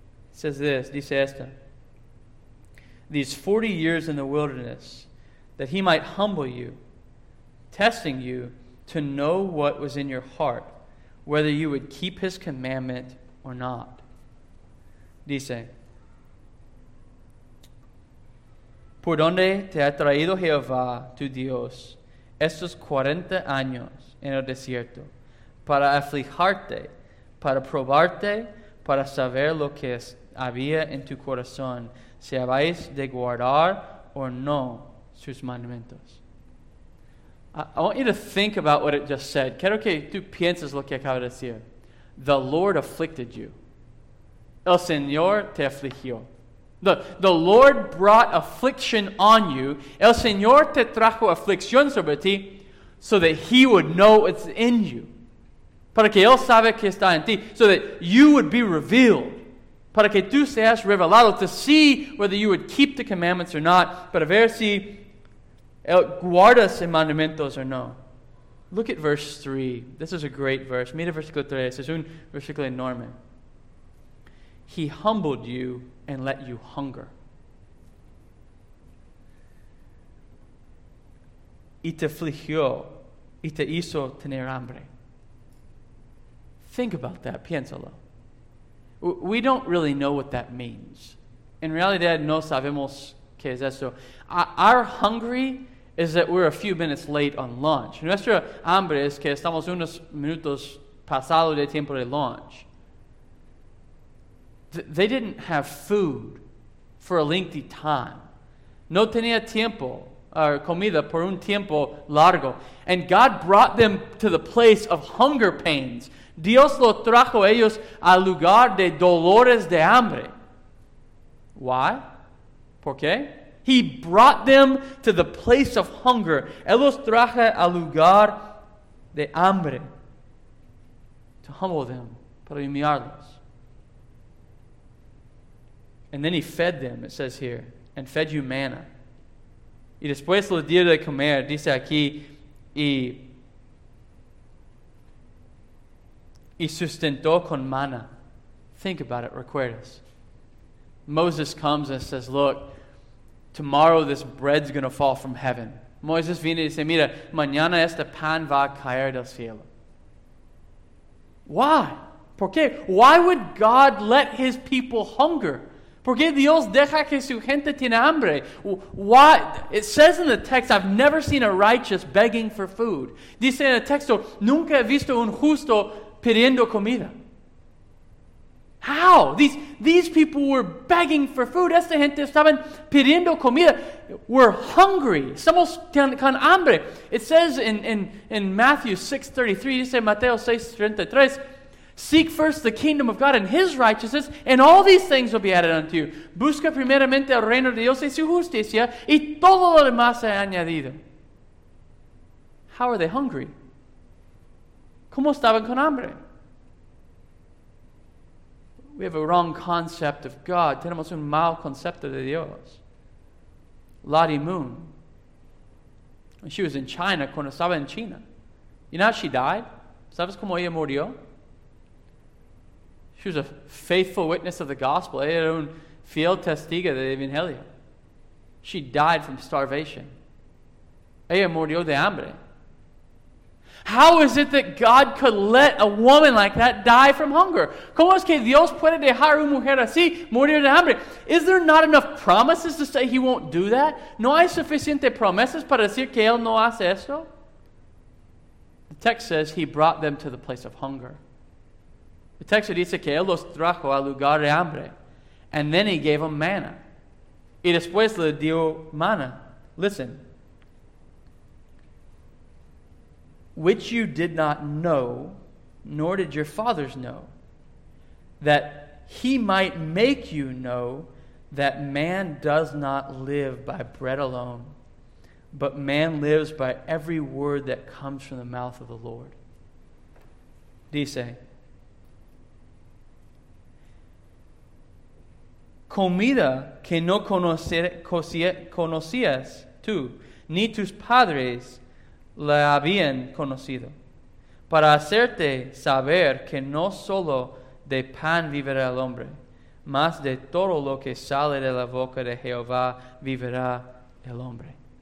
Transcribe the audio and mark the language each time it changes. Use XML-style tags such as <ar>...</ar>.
<en>Says this,</en> <es>dice esta.</es> <en>These 40 years in the wilderness, that he might humble you, testing you to know what was in your heart, whether you would keep his commandment or not.</en> <es>Dice, ¿por dónde te ha traído Jehová tu Dios estos 40 años en el desierto? Para afligirte, para probarte, para saber lo que es. Había en tu corazón si habéis de guardar o no sus mandamientos.</es> <en>I want you to think about what it just said.</en> <es>Quiero que tú pienses lo que acaba de decir.</es> <en>The Lord afflicted you.</en> <es>El Señor te afligió.</es> <en>The Lord brought affliction on you.</en> <es>El Señor te trajo aflicción sobre ti</es> <en>so that he would know it's in you.</en> <es>Para que él sabe que está en ti.</es> <en>So that you would be revealed.</en> <es>Para que tú seas revelado,</es> <en>to see whether you would keep the commandments or not,</en> <es>para ver si guardas en mandamientos</es> <en>or no. Look at verse 3. This is a great verse.</en> <es>Mira versículo 3. Es un versículo enorme.</es> <en>He humbled you and let you hunger.</en> <es>Y te afligió y te hizo tener hambre.</es> <en>Think about that.</en> <es>Piénsalo.</es> <en>We don't really know what that means.</en> <es>En realidad, no sabemos qué es eso.</es> <en>Our hungry is that we're a few minutes late on lunch.</en> <es>Nuestra hambre es que estamos unos minutos pasado de tiempo de lunch.</es> <en>They didn't have food for a lengthy time.</en> <es>No tenía tiempo, or comida, por un tiempo largo.</es> <en>And God brought them to the place of hunger pains.</en> <es>Dios lo trajo ellos al lugar de dolores de hambre.</es> <en>Why?</en> <es>¿Por qué?</es> <en>He brought them to the place of hunger.</en> <es>Él los trajo al lugar de hambre.</es> <en>To humble them,</en> <es>para humillarlos.</es> <en>And then he fed them, it says here, and fed you manna.</en> <es>Y después lo dio de comer, dice aquí, y sustentó con manna.</es> <en>Think about it.</en> <es>Recuerdas.</es> <en>Moses comes and says, look, tomorrow this bread's going to fall from heaven.</en> <es>Moses viene y dice, mira, mañana este pan va a caer del cielo.</es> <en>Why?</en> <es>¿Por qué?</es> <en>Why would God let his people hunger?</en> <es>¿Por qué Dios deja que su gente tiene hambre?</es> <en>Why? It says in the text, I've never seen a righteous begging for food.</en> <es>Dice en el texto, nunca he visto un justo pidiendo comida.</es> <en>How? These people were begging for food.</en> <es>Esta gente estaban pidiendo comida.</es> <en>We're hungry.</en> <es>Estamos con hambre.</es> <en>It says in Matthew 6:33,</en> <es>dice Mateo 6:33,</es> <en>seek first the kingdom of God and his righteousness, and all these things will be added unto you.</en> <es>Busca primeramente el reino de Dios y su justicia, y todo lo demás se añadido.</es> <en>How are they hungry?</en> <es>¿Cómo estaban con hambre?</es> <en>We have a wrong concept of God.</en> <es>Tenemos un mal concepto de Dios.</es> <en>Lottie Moon. When she was in China,</en> <es>cuando estaba en China.</es> <en>You know how she died?</en> <es>¿Sabes cómo ella murió?</es> <en>She was a faithful witness of the gospel.</en> <es>Ella era un fiel testigo de Evangelio.</es> <en>She died from starvation.</en> <es>Ella murió de hambre.</es> <en>How is it that God could let a woman like that die from hunger?</en> <es>¿Cómo es que Dios puede dejar una mujer así morir de hambre?</es> <en>Is there not enough promises to say he won't do that?</en> <es>¿No hay suficiente promesas para decir que él no hace eso?</es> <en>The text says he brought them to the place of hunger.</en> <es>El texto dice que él los trajo al lugar de hambre.</es> <en>And then he gave them manna.</en> <es>Y después le dio manna.</es> <en>Listen. Which you did not know, nor did your fathers know, that he might make you know that man does not live by bread alone, but man lives by every word that comes from the mouth of the Lord.</en> <es>Dice, comida que no conocías tú, ni tus padres la habían conocido, para hacerte saber que no solo de pan vivirá el hombre, mas de todo lo que sale de la boca de Jehová vivirá el hombre.</es>